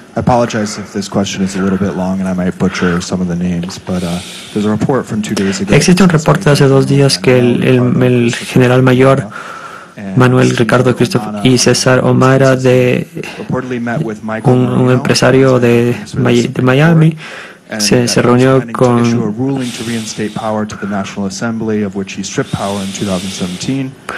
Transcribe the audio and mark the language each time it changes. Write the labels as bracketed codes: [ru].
[en] I apologize if this question is a little bit long and I might butcher some of the names, but there's a report from 2 days ago. [es] Existe un reporte de hace 2 días que el general mayor Manuel Ricardo Christopher y César O'Mara, de un empresario de Miami, se reunió con [en] a ruling to reinstate power to the National Assembly, of which he stripped power in 2017.